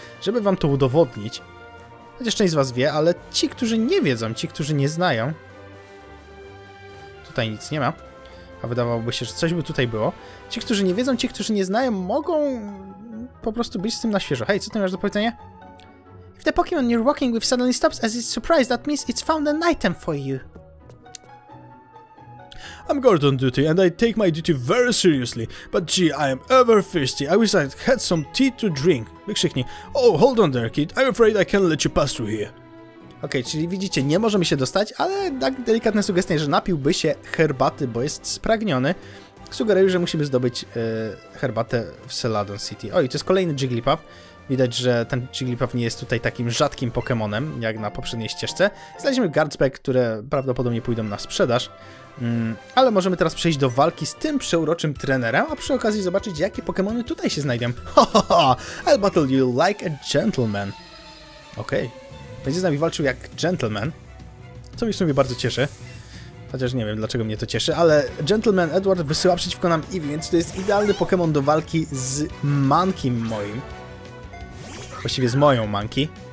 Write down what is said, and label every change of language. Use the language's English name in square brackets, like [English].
[Polish] Żeby wam to udowodnić. Chociaż część z was wie, ale ci, którzy nie wiedzą, ci, którzy nie znają... Tutaj nic nie ma. A wydawałoby się, że coś by tutaj było. Ci, którzy nie wiedzą, ci, którzy nie znają, mogą po prostu być z tym na świeżo. Hej, co ty masz do powiedzenia? [English] If the Pokemon you're walking with suddenly stops as it's surprised, that means it's found an item for you. I'm guard on duty and I take my duty very seriously. But gee, I am ever thirsty. I wish I had some tea to drink. [Polish] Wykrzyknij. [English] Oh, hold on there, kid. I'm afraid I can't let you pass through here. [Polish] Okej, czyli widzicie, nie możemy się dostać, ale tak delikatne sugestie, że napiłby się herbaty, bo jest spragniony. Sugeruję, że musimy zdobyć herbatę w Celadon City. Oj, to jest kolejny Jigglypuff. Widać, że ten Jigglypuff nie jest tutaj takim rzadkim Pokemonem, jak na poprzedniej ścieżce. Znaleźliśmy Guardspec, które prawdopodobnie pójdą na sprzedaż. Ale możemy teraz przejść do walki z tym przeuroczym trenerem, a przy okazji zobaczyć, jakie Pokemony tutaj się znajdą. [English] Ho, I'll battle you like a gentleman. [Polish] Okej. Będzie z nami walczył jak gentleman, co mi w sumie bardzo cieszy. Chociaż nie wiem, dlaczego mnie to cieszy, ale Gentleman Edward wysyła przeciwko nam Eevee, więc to jest idealny Pokémon do walki z Mankiem moim. Właściwie z moją Manki.